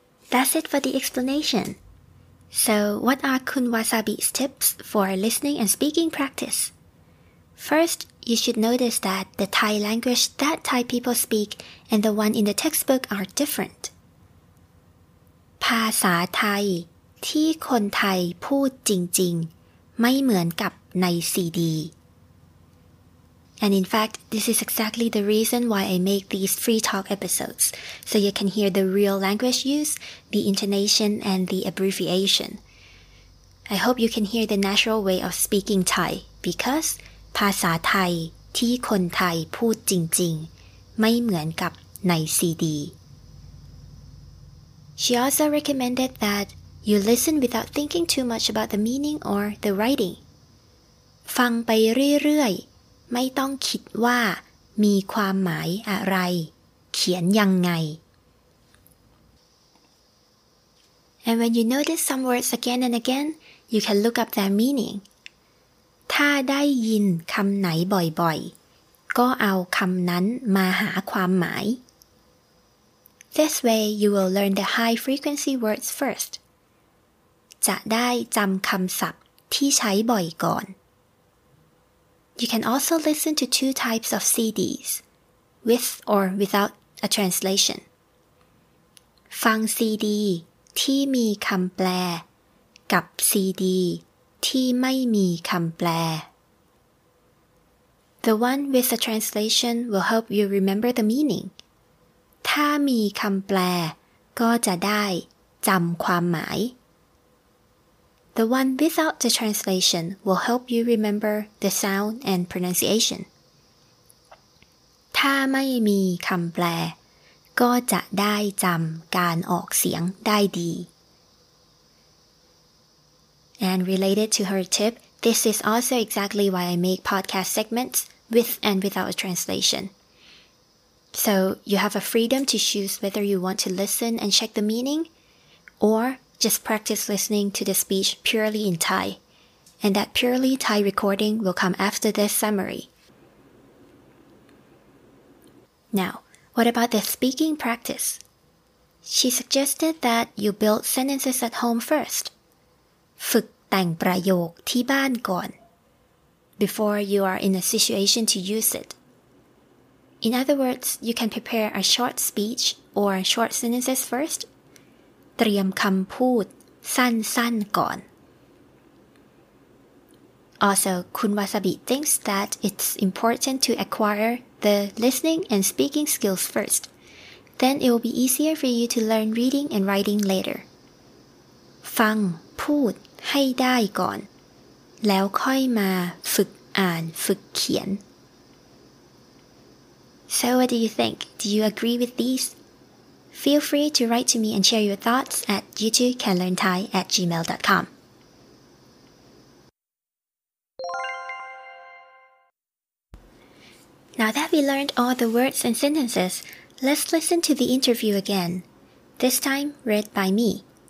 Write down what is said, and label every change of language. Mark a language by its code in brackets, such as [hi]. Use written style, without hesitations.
[en] That's it for the explanation So what are Kun Wasabi's tips for listening and speaking practiceFirst, you should notice that the Thai language that Thai people speak and the one in the textbook are different. [th] ภาษาไทยที่คนไทยพูดจริงๆไม่เหมือนกับในซีดี [en] And in fact, this is exactly the reason why I make these free talk episodes, so you can hear the real language use, the intonation, and the abbreviation. I hope you can hear the natural way of speaking Thai, because [th] ภาษาไทยที่คนไทยพูดจริงๆไม่เหมือนกับในซีดี [en] She also recommended that you listen without thinking too much about the meaning or the writing. [th] ฟังไปเรื่อยๆไม่ต้องคิดว่ามีความหมายอะไรเขียนยังไง [en] And when you notice some words again and again, you can look up their meaning. [th] ถ้าได้ยินคำไหนบ่อยๆก็เอาคำนั้นมาหาความหมาย [en] This way you will learn the high frequency words first [th] จะได้จำคำศัพท์ที่ใช้บ่อยก่อน [en] You can also listen to two types of CDs with or without a translation [th] ฟังซีดีที่มีคำแปลกับซีดีที่ไม่มีคำแปล [en] The one with the translation will help you remember the meaning. [th] ถ้ามีคำแปลก็จะได้จำความหมาย [en] The one without the translation will help you remember the sound and pronunciation. [th] ถ้าไม่มีคำแปลก็จะได้จำการออกเสียงได้ดี [en] And related to her tip, this is also exactly why I make podcast segments with and without a translation. So you have a freedom to choose whether you want to listen and check the meaning, or just practice listening to the speech purely in Thai. And that purely Thai recording will come after this summary. Now, what about the speaking practice? She suggested that you build sentences at home first. [th] ฝึกแต่งประโยคที่บ้านก่อน [en] before you are in a situation to use it. In other words, you can prepare a short speech or short sentences first. [th] เตรียมคำพูดสั้นๆก่อน [en] Also, Kun Wasabi thinks that it's important to acquire the listening and speaking skills first. Then it will be easier for you to learn reading and writing later. [th] ฟังพูดให้ได้ก่อนแล้วค่อยมาฝึกอ่านฝึกเขียน [en] So what do you think? Do you agree with these? Feel free to write to me and share your thoughts at you2canlearnthai@gmail.com. Now that we learned all the words and sentences, let's listen to the interview again, this time read by me.